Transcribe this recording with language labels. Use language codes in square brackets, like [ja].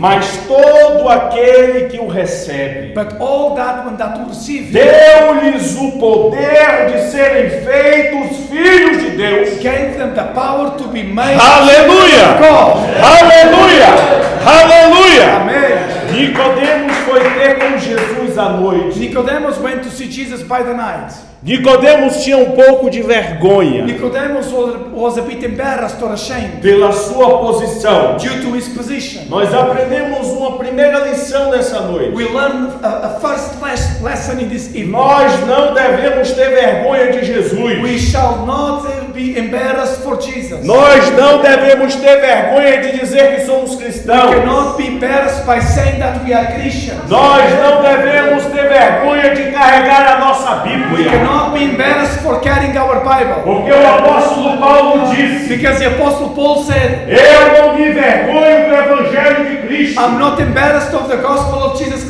[pt] Mas todo aquele que o recebe. [en] But all that one that will receive him. [pt] Deu-lhes o poder de serem feitos filhos de Deus. [en] Gave them the power to be made. [pt] Aleluia. [en] God. [pt] Aleluia. Aleluia. Amém. Nicodemus foi ter com Jesus à noite. [en] Nicodemus went to see Jesus by the night. [pt] Nicodemus tinha um pouco de vergonha. [en] Nicodemus was a bit embarrassed or ashamed. [pt] Pela sua posição. [en] Due to his position. [pt] Nós aprendemos uma primeira lição nessa noite. [en] We learned a first lesson in this evening. [pt] Nós não devemos ter vergonha de Jesus. [en] We shall not be embarrassed for Jesus. [pt] Nós não devemos ter vergonha de dizer que somos cristãos. [en] We cannot be embarrassed by saying that we are Christians. [pt] Nós não devemos ter vergonha de carregar a nossa Bíblia. [en] We cannot be embarrassed for carrying our Bible. [pt] Porque o apóstolo Paulo disse. [en] Because the apostle Paul said. [pt] Eu não me envergonho do evangelho de Cristo. [en] I'm not embarrassed of the gospel of Jesus Christ.